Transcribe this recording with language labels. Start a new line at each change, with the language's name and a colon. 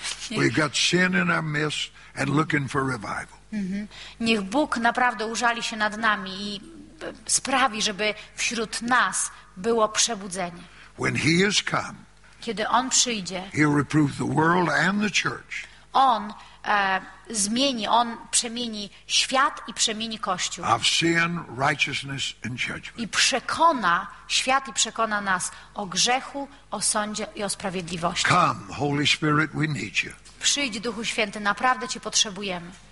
English: We've got sin in our midst and looking for revival.
Polish: Niech Bóg naprawdę użali się nad nami i sprawi, żeby wśród nas było przebudzenie.
English: When he is come,
Polish: kiedy on przyjdzie,
English: he'll reprove the world and the church.
Polish: On zmieni, on przemieni świat i przemieni Kościół.
English: Of sin, righteousness and judgment.
Polish: I przekona świat i przekona nas o grzechu, o sądzie i o sprawiedliwości.
English: Come, Holy Spirit, we need you.
Polish: Przyjdź, Duchu Święty, naprawdę Cię potrzebujemy.